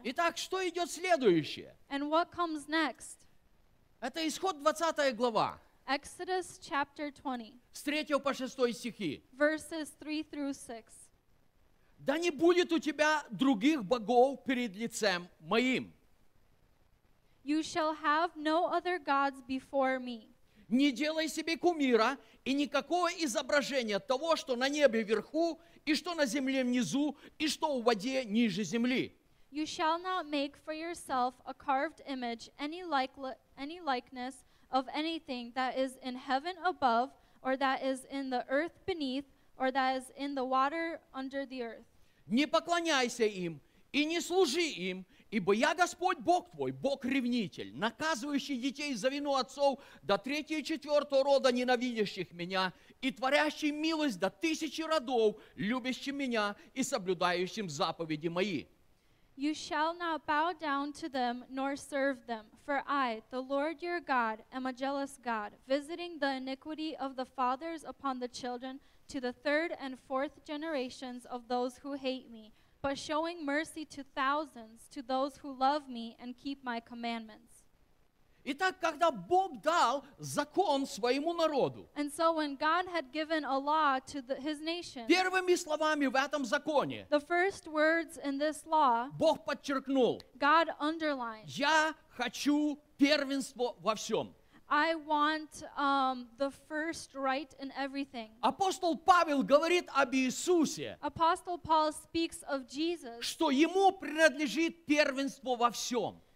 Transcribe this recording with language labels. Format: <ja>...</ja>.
<ru>Итак, что идет следующее?</ru> <en>And what comes next?</en> <ru>Это исход 20 глава.</ru> <en>Exodus chapter 20.</en> <ru>С 3 по 6 стихи.</ru> <en>Verses 3 through 6.</en> <ru>Да не будет у тебя других богов перед лицем моим.</ru> <en>You shall have no other gods before me.</en> <ru>Не делай себе кумира и никакого изображения того, что на небе вверху, и что на земле внизу, и что в воде ниже земли.</ru> <en>You shall not make for yourself a carved image, any likeness of anything that is in heaven above, or that is in the earth beneath, or that is in the water under the earth.</en> <ru>Не поклоняйся им и не служи им. Ибо я Господь Бог твой, Бог ревнитель, наказывающий детей за вину отцов до третьего и четвертого рода ненавидящих меня и творящий милость до тысячи родов, любящим меня и соблюдающим заповеди мои.</ru> <en>You shall not bow down to them nor serve them, for I, the Lord your God, am a jealous God, visiting the iniquity of the fathers upon the children to the third and fourth generations of those who hate me, but showing mercy to thousands, to those who love me and keep my commandments.</en> <ru>Итак, когда Бог дал закон своему народу,</ru> <en>and so when God had given a law to his nation,</en> <ru>первыми словами в этом законе,</ru> <en>the first words in this law,</en> <ru>Бог подчеркнул,</ru> <en>God underlined,</en> <ru>я хочу первенство во всем.</ru> <en>I want the first right in everything.</en> <ru>Апостол Павел говорит об Иисусе.</ru> <en>Apostle Paul speaks of Jesus.</en> <ru>Что ему принадлежит первенство во всем.</ru>